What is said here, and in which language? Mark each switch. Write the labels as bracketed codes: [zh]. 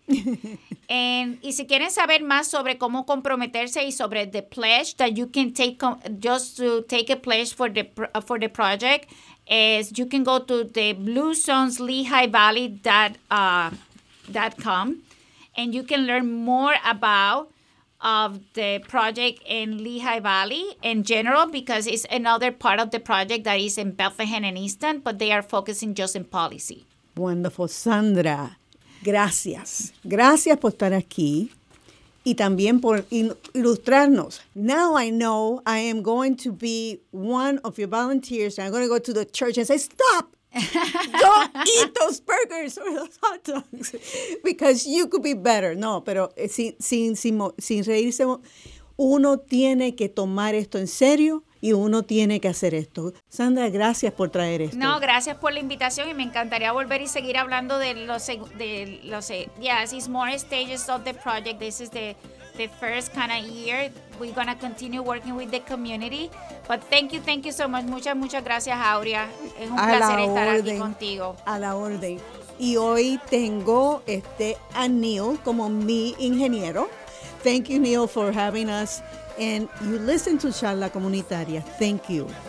[es] Y si quieren saber más sobre cómo comprometerse y sobre [en] the pledge that you can take, just to take a pledge for the project, is you can go to the bluezoneslehighvalley.com and you can learn more about of the project in Lehigh Valley in general, because it's another part of the project that is in Bethlehem and Easton, but they are focusing just in policy. Wonderful. Sandra, gracias. [es] Gracias por estar aquí y también por ilustrarnos. [en] Now I know I am going to be one of your volunteers, and I'm going to go to the church and say, stop! Don't eat those burgers or those hot dogs because you could be better. [es] No, pero sin reírse, uno tiene que tomar esto en serio y uno tiene que hacer esto. Sandra, gracias por traer esto. No, gracias por la invitación y me encantaría volver y seguir hablando de los [en] yes, it's more stages of the project. This is the first kind of year. We're going to continue working with the community. But thank you so much. [es] Muchas, muchas gracias, Aurea. Es un placer estar aquí contigo. A la orden. Y hoy tengo a Neil como mi ingeniero. [en] Thank you, Neil, for having us. And you listen to Charla Comunitaria. Thank you.